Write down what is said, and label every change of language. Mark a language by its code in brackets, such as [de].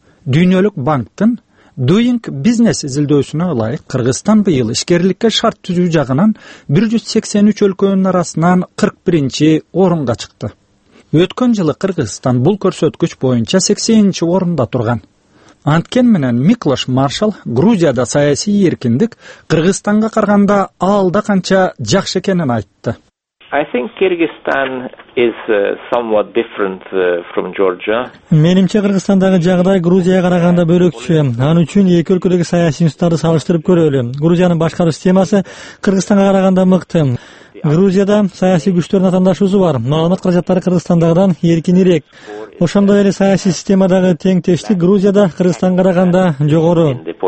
[ky] Дүйнөлүк банктын Doing Business изилдөөсүнө ылайык, Кыргызстан быйыл ишкерликке шарт түзүү жагынан 183 өлкөнүн арасынан 41-чи орунга чыкты. Өткөн жылы Кыргызстан бул көрсөткүч боюнча 80-чи орунда турган. Анткен менен Миклош Маршал Грузияда саясий эркиндик Кыргызстанга караганда алда канча жакшы экенин айтты. [en] I think Kyrgyzstan is somewhat different from Georgia. [ky] Менимче Кыргызстандагы жагдай Грузияга караганда бөлөкчү. Аны үчүн эки өлкөдөгү саясий институттарды салыштырып көрөлү. Грузиянын башкаруу системасы Кыргызстанга караганда мыкты. Грузияда саясий күчтөрдүн атаандашуусу бар. Маалымат каражаттары Кыргызстандагыдан эркинирээк. Ошондой эле саясий системадагы теңтештик Грузияда Кыргызстанга караганда жогору.